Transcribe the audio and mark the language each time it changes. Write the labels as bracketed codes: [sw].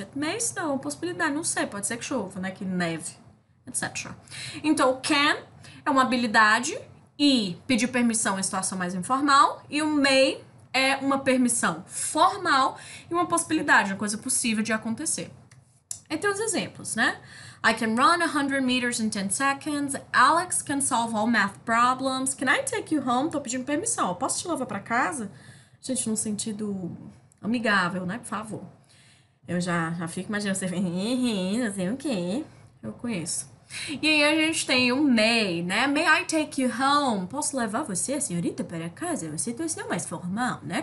[en] It may snow, [pt] uma possibilidade, não sei, pode ser que chova, né? Que neve, etc. Então, can é uma habilidade. E pedir permissão em situação mais informal. E o may é uma permissão formal e uma possibilidade, uma coisa possível de acontecer. Aí tem os exemplos, né? [en] I can run 100 meters in 10 seconds. Alex can solve all math problems. Can I take you home? [pt] Tô pedindo permissão. Posso te levar para casa? Gente, num sentido amigável, né? Por favor. Eu já fico imaginando você vem, assim, o quê? Eu conheço. E aí a gente tem o may, né? [en] May I take you home? [pt] Posso levar você, senhorita, para casa? É uma situação mais formal, né?